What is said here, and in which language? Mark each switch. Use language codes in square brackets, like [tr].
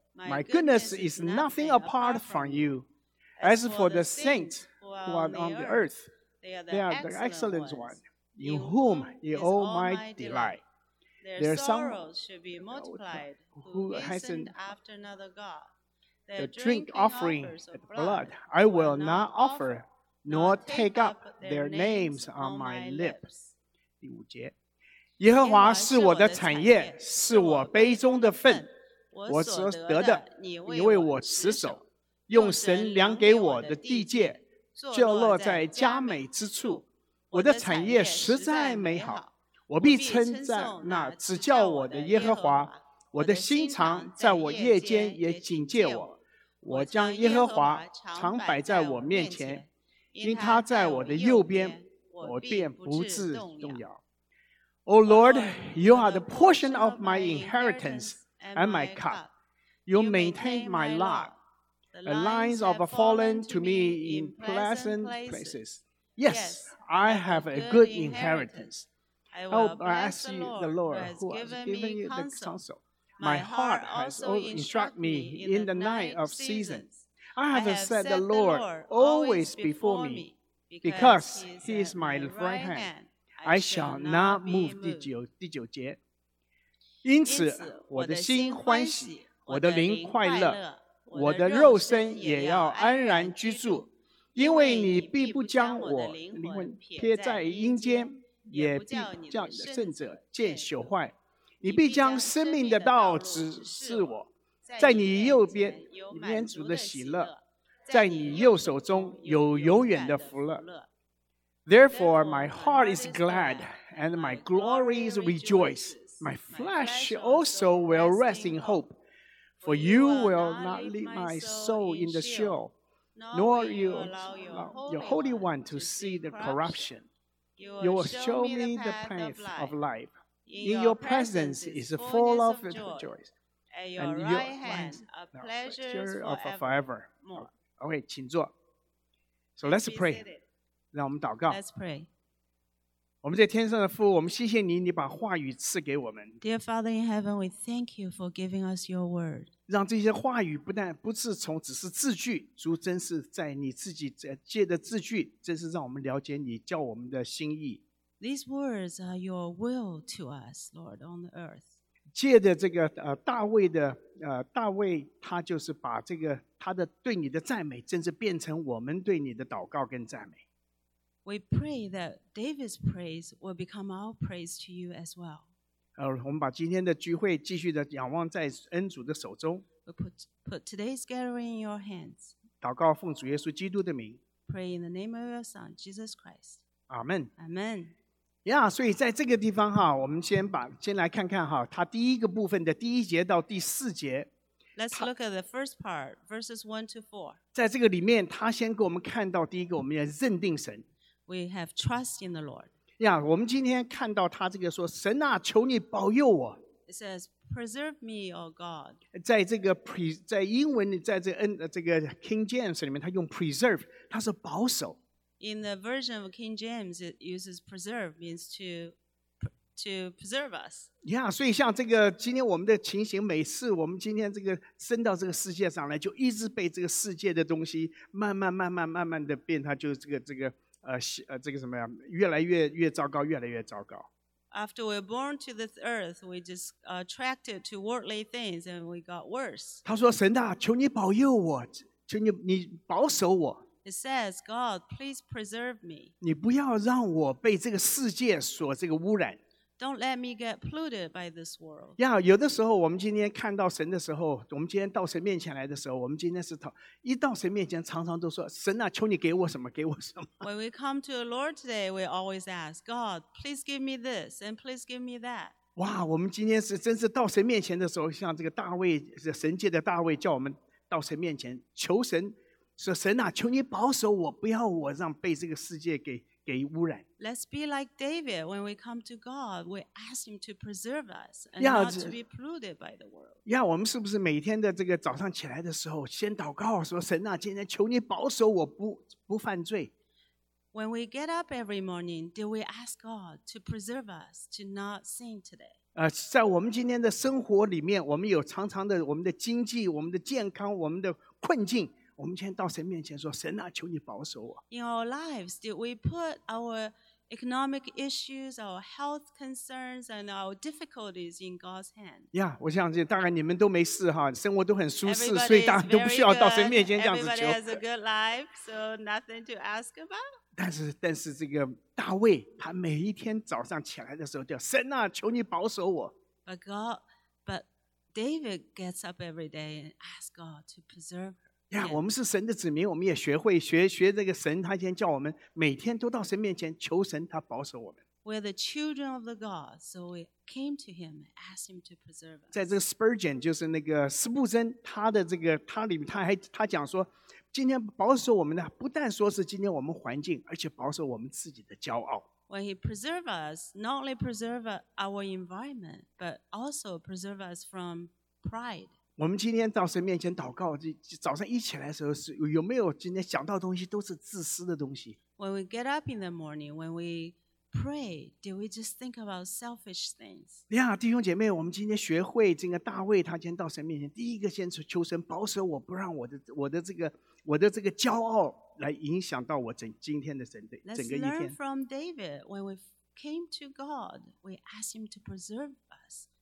[en] My goodness is nothing apart from you. As for the saints who are on the earth, they are the excellent one, in whom is all my delight. Their sorrows should be multiplied who hastened after another God. The drink offering of blood I will not offer, nor take up their names on my lips. [zh] 第五节，耶和华是我的产业，是我杯中的份，我所得的，你为我持守，用神量给我的地界，就落在佳美之处。我的产业实在美好，我必称赞那指教我的耶和华。我的心肠在我夜间也警戒我，我将耶和华常摆在我面前，因他在我的右边，我便不致动摇。 [en] O Lord, you are the portion of my inheritance and my cup. You maintain my lot. The lines have fallen to me in pleasant places. Yes, I have a good inheritance. I will bless you, the Lord, who has given you the counsel. My heart has also instructed me in the night of seasons. I have set the Lord always before me, because he is my right hand. I shall not move. [zh] 第九节。因此我的心欢喜，我的灵快乐，我的肉身也要安然居住，因为你必不将我灵魂撇在阴间，也必叫你的圣者见朽坏。你必将生命的道指示我，在你右边有满足的喜乐，在你右手中有永远的福乐。 [en] Therefore my heart is glad and my glory is rejoiced. My flesh also will rest in hope, for you will not leave my soul in the Sheol, nor you allow your Holy One to see the corruption. You will show me the path of life. In your presence is full of joy, and your right hand a pleasure of forever. Okay, [zh] 请坐。 [en] So let's pray. [zh] 让我们祷告。 [en] Let's pray. [zh] 我们在天上的父，我们谢谢你，你把话语赐给我们。 [en] Dear Father in heaven, we thank you for giving us your word. [zh] 让这些话语不但不是从只是字句，主真是在你自己借的字句，真是让我们了解你叫我们的心意。 [en] These words are your will to us, Lord, on the earth. [zh] 借着这个大卫的大卫他就是把这个他的对你的赞美真是变成我们对你的祷告跟赞美。 [en] We pray that David's praise will become our praise to you as well. [zh] 我们把今天的聚会继续的仰望在恩主的手中。 [en] We put today's gathering in your hands. [zh] 祷告奉主耶稣基督的名。 [en] Pray in the name of your Son, Jesus Christ. [zh] 阿们阿们呀，所以在这个地方哈，我们先来看看哈，它第一个部分的第一节到第四节。 [en] Let's look at the first part, verses 1-4. [zh] 在这个里面，他先给我们看到第一个，我们要认定神。 [en] We have trust in the Lord. [zh] 呀，我们今天看到他这个说，神啊，求你保佑我。 [en] It says, "Preserve me, O God." [zh] 在这个在英文，在这个 King James 里面，他用 preserve， 他是保守。 [en] In the version of King James, it uses preserve, means to preserve us. [zh] Yeah, 所以像这个今天我们的情形，每次我们今天这个生到这个世界上来，就一直被这个世界的东西慢慢慢慢慢慢的变，它就这个什么呀，越来越糟糕，越来越糟糕。 [en] After we're born to this earth, we just attracted to worldly things, and we got worse. [zh] 他说：“神啊，求你保佑我，求你保守我。” [en] It says, "God, please preserve me." [zh] 你不要让我被这个世界所这个污染。 [en] Don't let me get polluted by this world. [zh] Yeah, 有的时候我们今天看到神的时候，我们今天到神面前来的时候，我们今天是一到神面前，常常都说：“神啊，求你给我什么，给我什么。” [en] When we come to the Lord today, we always ask, "God, please give me this and please give me that." [zh] 哇，我们今天是真是到神面前的时候，像这个大卫，神界的大卫，叫我们到神面前求神。说神啊，求你保守我，不要我让被这个世界给污染。 [en] Let's be like David. When we come to God, we ask Him to preserve us and yeah, not to be polluted by the world. [zh] Yeah, 我们是不是每天的这个早上起来的时候，先祷告说神啊，今天求你保守我不犯罪。 [en] When we get up every morning, do we ask God to preserve us to not sin today? [zh] 在我们今天的生活里面，我们有常常的我们的经济、我们的健康、我们的困境。我们今天到神面前说：“神啊，求你保守我。” [en] In our lives, did we put our economic issues, our health concerns, and our difficulties in God's hand? [zh] Yeah, 我相信大概你们都没事哈，生活都很舒适，所以大家都不需要到神面前这样子求。 [en] Everybody has a good life, so nothing to ask about. [zh] 但是这个大卫，他每一天早上起来的时候叫神啊，求你保守我。 [en] But David gets up every day and asks God to preserve. [zh] 呀、yeah, ，我们是神的子民，我们也学会学这个神，他先叫我们每天都到神面前求神，他保守我们。 [en] We're the children of the God, so we came to Him and asked Him to preserve us. [zh] 在这个 Spurgeon 就是那个斯布森，他的这个他里面他讲说，今天保守我们的不但说是今天我们环境，而且保守我们自己的骄傲。 [en] When He preserves us, not only preserve our environment, but also preserve us from pride. [zh] 我们今天到神面前祷告，早上一起来的时候，有没有今天想到的东西都是自私的东西？ [en] When we get up in the morning, when we pray? Do we just think about selfish things? [zh] Yeah, 弟兄姐妹，我们今天学会这个大卫，他今天到神面前，第一个先求神保守我，不让我的这个骄傲来影响到我整今天的神的整个一天。 [en] Let's learn from David. When we came to God, we asked him to preserve us.